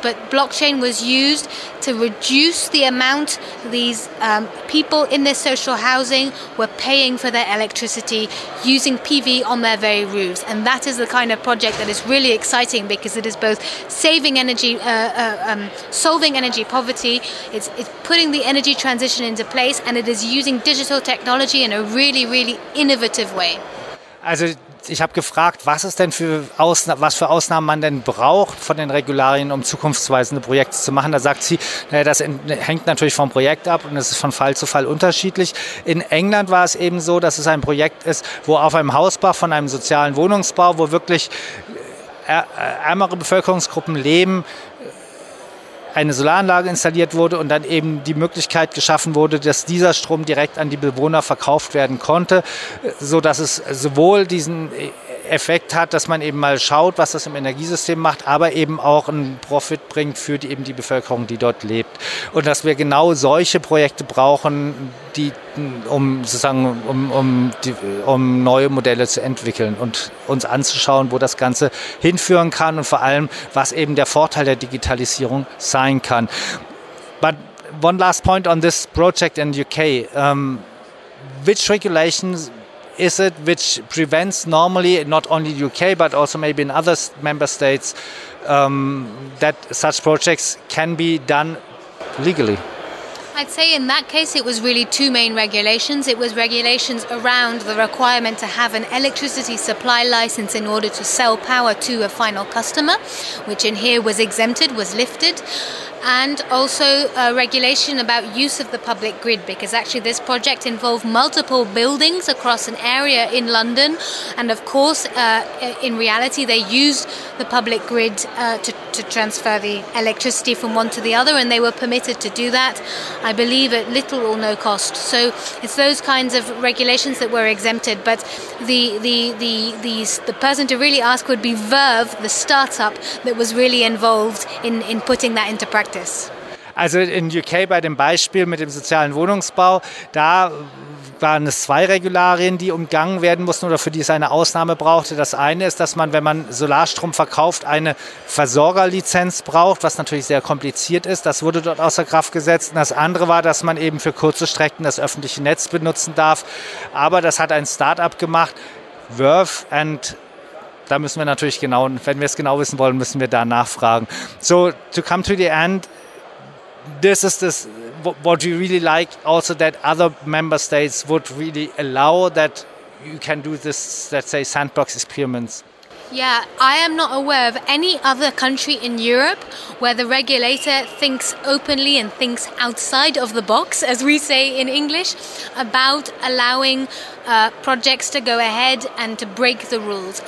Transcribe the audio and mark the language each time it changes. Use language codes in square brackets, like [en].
[en] But blockchain was used to reduce the amount these people in this social housing were paying for their electricity using PV on their very roofs. And that is the kind of project that is really exciting, because it is both saving energy, solving energy poverty, it's putting the energy transition into place, and it is using digital technology in a really, really innovative way. [de] Also ich habe gefragt, was es denn für Ausnahmen man denn braucht von den Regularien, um zukunftsweisende Projekte zu machen. Da sagt sie, naja, das hängt natürlich vom Projekt ab und es ist von Fall zu Fall unterschiedlich. In England war es eben so, dass es ein Projekt ist, wo auf einem Hausbau von einem sozialen Wohnungsbau, wo wirklich ärmere Bevölkerungsgruppen leben, eine Solaranlage installiert wurde und dann eben die Möglichkeit geschaffen wurde, dass dieser Strom direkt an die Bewohner verkauft werden konnte, sodass es sowohl diesen Effekt hat, dass man eben mal schaut, was das im Energiesystem macht, aber eben auch einen Profit bringt für die, eben die Bevölkerung, die dort lebt. Und dass wir genau solche Projekte brauchen, die, um sozusagen um neue Modelle zu entwickeln und uns anzuschauen, wo das Ganze hinführen kann und vor allem, was eben der Vorteil der Digitalisierung sein kann. [en] But one last point on this project in the UK. Which regulations is it which prevents normally, not only the UK, but also maybe in other member states, that such projects can be done legally? I'd say in that case it was really two main regulations. It was regulations around the requirement to have an electricity supply license in order to sell power to a final customer, which in here was exempted, was lifted. And also a regulation about use of the public grid, because actually this project involved multiple buildings across an area in London. And of course, in reality, they used the public grid to transfer the electricity from one to the other, and they were permitted to do that, I believe, at little or no cost. So it's those kinds of regulations that were exempted. But the person to really ask would be Verve, the startup that was really involved in putting that into practice. [de] Also in UK bei dem Beispiel mit dem sozialen Wohnungsbau, da waren es zwei Regularien, die umgangen werden mussten oder für die es eine Ausnahme brauchte. Das eine ist, dass man, wenn man Solarstrom verkauft, eine Versorgerlizenz braucht, was natürlich sehr kompliziert ist. Das wurde dort außer Kraft gesetzt. Und das andere war, dass man eben für kurze Strecken das öffentliche Netz benutzen darf. Aber das hat ein Start-up gemacht, Verve, and da müssen wir natürlich genau, wenn wir es genau wissen wollen, müssen wir da nachfragen. [en] So, to come to the end, this is this what we really like also, that other member states would really allow that you can do this, let's say, sandbox experiments. Yeah, I am not aware of any other country in Europe where the regulator thinks openly and thinks outside of the box, as we say in English, about allowing projects to go ahead and to break the rules.